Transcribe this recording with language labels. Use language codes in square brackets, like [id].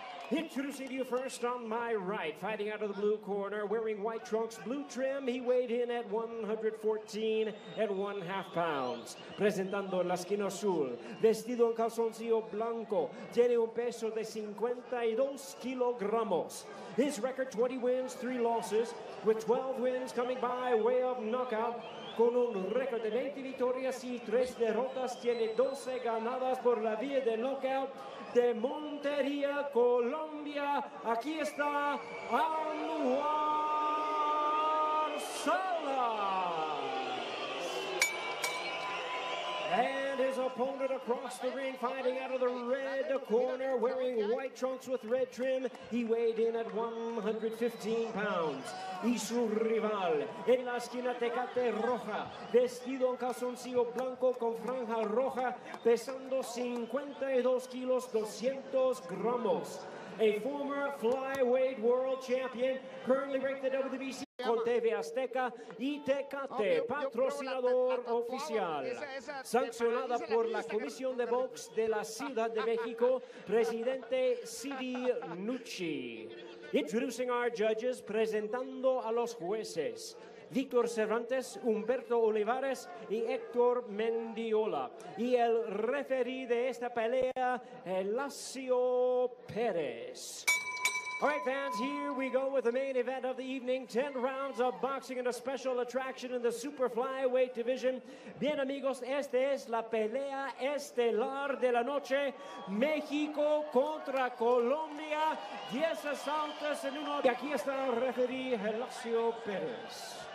[en] Introducing you first on my right, fighting out of the blue corner, wearing white trunks, blue trim. He weighed in at 114 and 1.5 pounds. [es] Presentando la esquina azul, vestido en calzoncillo blanco, tiene un peso de 52 kilogramos. [en] His record 20 wins, 3 losses, with 12 wins coming by way of knockout. [es] Con un récord de 20 victorias y 3 derrotas, tiene 12 ganadas por la vía de knockout. De Montería, Colombia, aquí está Anuar Salas. [en] And his opponent across the ring, fighting out of the red corner, wearing white trunks with red trim. He weighed in at 115 pounds. [es] Y su rival en la esquina Tecate Roja, vestido en calzoncillo blanco con franja roja, pesando 52 kilos, 200 gramos. [en] A former flyweight world champion, currently ranked at WBC. [es] Con TV Azteca y Tecate, no, patrocinador la oficial. Esa, sancionada por la Comisión de Box de la Ciudad de México, presidente Sidi Nucci. [en] Introducing our judges, [es] presentando a los jueces. Víctor Cervantes, Humberto Olivares y Héctor Mendiola. Y el referí de esta pelea, Elacio Pérez. [en] All right, fans, here we go with the main event of the evening. 10 rounds of boxing and a special attraction in the super flyweight division. [es] Bien, amigos, esta es la pelea estelar de la noche. México contra Colombia. 10 asaltos en uno. Y aquí está el referee, Gelasio Pérez.